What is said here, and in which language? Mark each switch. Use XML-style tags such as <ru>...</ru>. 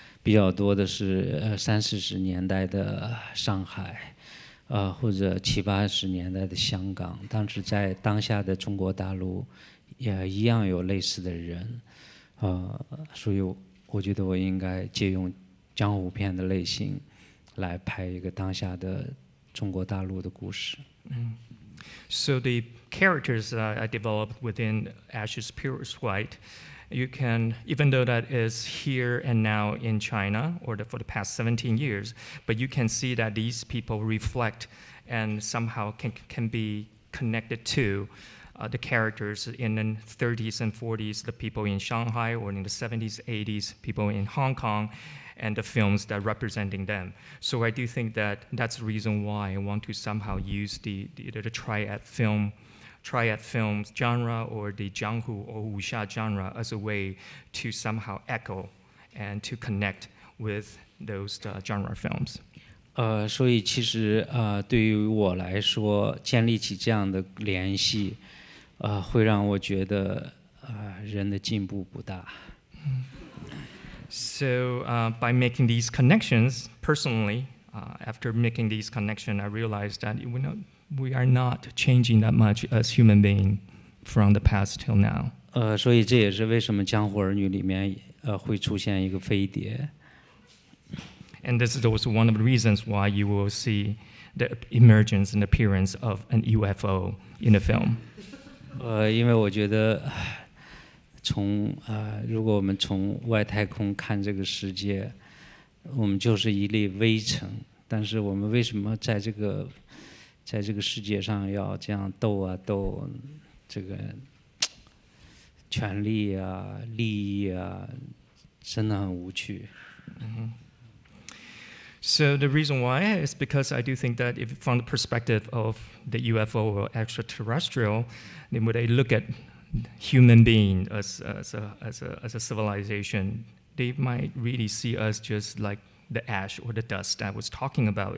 <zh>比较多的是三四十年代的上海，或者七八十年代的香港，当时在当下的中国大陆也一样有类似的人，所以我觉得我应该借用江湖片的类型来拍一个当下的中国大陆的故事。</zh> <en>So the characters I developed within Ash Is Purest White, you can, even though that is here and now in China or for the past 17 years, but you can see that these people reflect and somehow can be connected to the characters in the 30s and 40s, the people in Shanghai, or in the 70s, 80s, people in Hong Kong, and the films that are representing them. So I do think that that's the reason why I want to somehow use the triad film genre or the Jianghu or Wuxia genre as a way to somehow echo and to connect with those genre films.</en> <zh>所以其实对于我来说，建立起这样的联系，会让我觉得人的进步不大。</zh> <en>So by making these connections, personally, after making these connections, I realized that we are not changing that much as human being from the past till now.</en> <zh>所以这也是为什么江湖儿女里面会出现一个飞碟。</zh> <en>And this is also one of the reasons why you will see the emergence and appearance of an UFO in the film.</en> <zh>因为我觉得从如果我们从外太空看这个世界，我们就是一粒微尘。但是我们为什么在这个世界上要这样斗啊斗？这个权力啊、利益啊，真的很无趣。</zh> <en>So the reason why is because I do think that if from the perspective of the UFO or extraterrestrial, then when they look at human being as a civilization, they might really see us just like the ash or the dust I was talking about.</en>